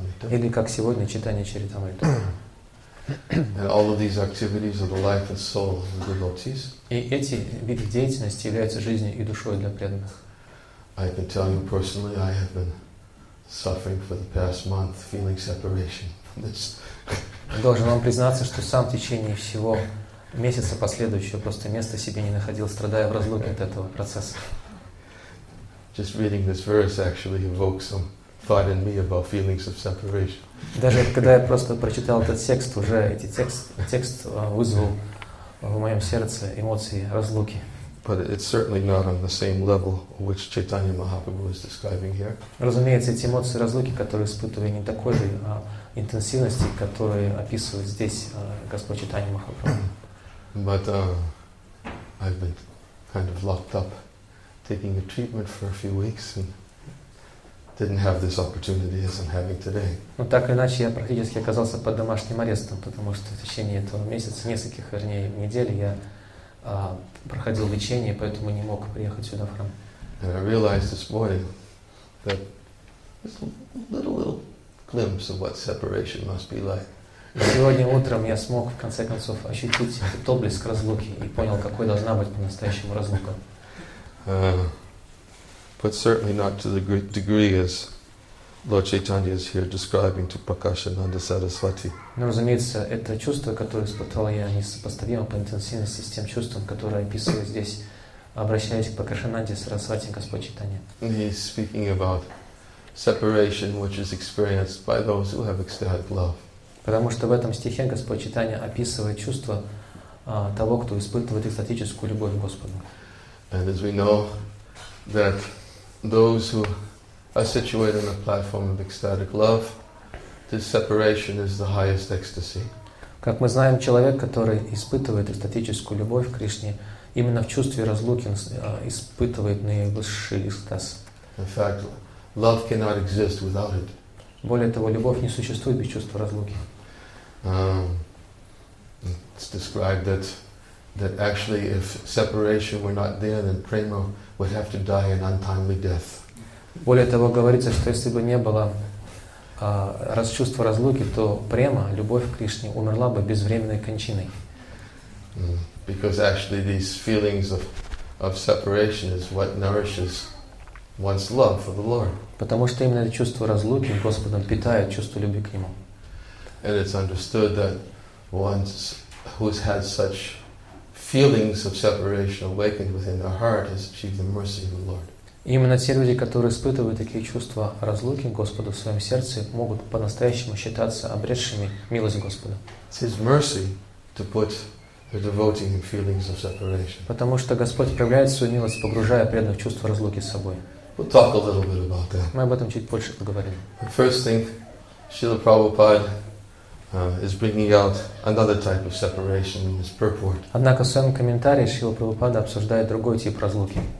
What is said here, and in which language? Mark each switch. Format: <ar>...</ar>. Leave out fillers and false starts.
<ru>Или как сегодня, Чайтанья Чаритамрита.</ru> <en>And all of these activities are the life and soul of the devotees.</en> <ru>И эти виды деятельности являются жизнью и душой для преданных.</ru> <en>I can tell you personally, I have been suffering for the past month, feeling separation from this.</en> <ru>Должен вам признаться, что сам в течение всего месяца последующего просто места себе не находил, страдая в разлуке от этого процесса.</ru> <en>Just reading this verse actually evokes some thought in me about feelings of separation.</en> <ru>Даже когда я просто прочитал этот текст, уже эти текст вызвал в моем сердце эмоции разлуки.</ru> <en>But it's certainly not on the same level which Chaitanya Mahaprabhu is describing here.</en> <ru>Разумеется, эти эмоции разлуки, которые испытываю, не такой же интенсивности, которые описывает здесь Господь Чайтанья Махапрабху.</ru> <en>But I've been kind of locked up, taking a treatment for a few weeks and didn't have this opportunity as I'm having today.</en> <ru>Но так иначе я практически оказался под домашним арестом, потому что в течение этого месяца, нескольких, вернее, недель я проходил лечение, поэтому не мог приехать сюда в храм.</ru> <en>And I realized this morning that this little glimpse of what separation must be like.</en> <ru>Сегодня утром я смог в конце концов ощутить этот облеск разлуки и понял, какой должна быть по-настоящему разлука.</ru> <en>But certainly not to the degree as Lord Chaitanya is here describing to Prakashananda Sarasvati.</en> <ru>Но, разумеется, это чувство, которое испытал я, несопоставимо по интенсивности с тем чувством, которое описывает здесь, обращаясь к Пракашананде Сарасвати, Господь Чайтанья.</ru> <en>He is speaking about separation, which is experienced by those who have ecstatic love.</en> <ru>Потому что в этом стихе Господь Чайтанья описывает чувство того, кто испытывает экстатическую любовь к Господу.</ru> <en>And as we know, that those who are situated on a platform of ecstatic love, this separation is the highest ecstasy.</en> <ru>Как мы знаем, человек, который испытывает экстатическую любовь к Кришне, именно в чувстве разлуки испытывает наивысший экстаз.</ru> <en>In fact, love cannot exist without it.</en> <ru>Более того, любовь не существует без чувства разлуки.</ru> <en>It's described that actually, if separation were not there, then prema would have to die an untimely death.</en> <ru>Более того, говорится, что если бы не было чувства разлуки, то према, любовь к Кришне, умерла бы безвременной кончиной.</ru> <en>Because actually, these feelings of separation is what nourishes one's love for the Lord.</en> <ru>Потому что именно это чувство разлуки Господом питает чувство любви к Нему.</ru> <en>And it's understood that one who's had such feelings of separation awakened within their heart has achieved the mercy of the Lord.</en> <ru>Именно те люди, которые испытывают такие чувства разлуки Господу в своем сердце, могут по-настоящему считаться обретшими милость Господа.</ru> <en>It's His mercy to put the devotee in feelings of separation.</en> <ru>Потому что Господь проявляет свою милость, погружая преданных в чувство разлуки с собой.</ru> <en>We'll talk a little bit about that.</en> <ru>Мы об этом чуть больше поговорим.</ru> <en>The first thing, Srila Prabhupada is bringing out another type of separation in his purport.</en> <ru>Однако в своем комментарии Шрила Прабхупада обсуждает другой тип разлуки.</ru>